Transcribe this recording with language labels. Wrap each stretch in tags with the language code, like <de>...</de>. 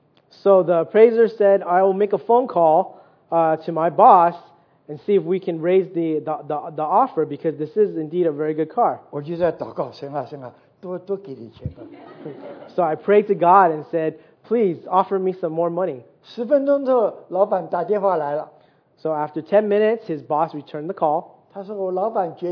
<en>So the appraiser said, I will make a phone call to my boss and see if we can raise the offer because this is indeed a very good car. So I prayed to God and said, please offer me some more money.</en> <zh>10分钟之后，老板打电话来了。</zh> <en>So after 10 minutes, his boss returned the call.</en>